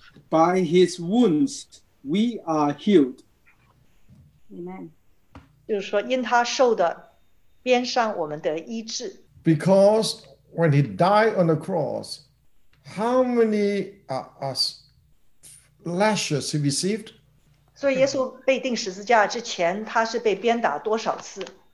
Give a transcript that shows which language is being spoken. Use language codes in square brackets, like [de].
[en] By his wounds, we are healed. Amen. [zh] 就是说,因他受的鞭伤,我们得医治。 [en] Because when he died on the cross, how many lashes he received? [zh] 所以耶稣被钉十字架之前，他是被鞭打多少次？